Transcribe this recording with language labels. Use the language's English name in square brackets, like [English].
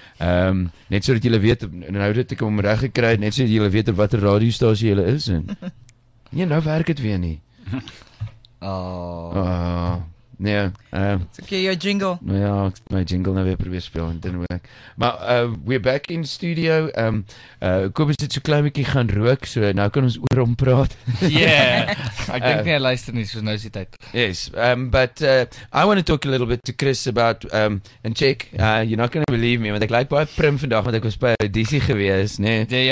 [Afrikaans] Net so dat julle weet, nou dat ek hom reg gekry het, net so dat julle weet watter radiostasie julle is. Nee, nou werk het weer nie. Nee. [English] It's okay, your jingle. [Afrikaans] Nou ja, my jingle nou weer probeer speel, en dit werk. [English] Maar we're back in studio. [Afrikaans] Kobus het so klein bietjie gaan rook, so nou kan ons oor hom praat. [English] Yeah. [Afrikaans] Ek dink nie hy luister nie, so nou is die tyd. [English] Yes, but I want to talk a little bit to Chris about, and check, you're not going to believe me, [Afrikaans] want ek lyk baie prim vandag, want ek was by audisie gewees, nee.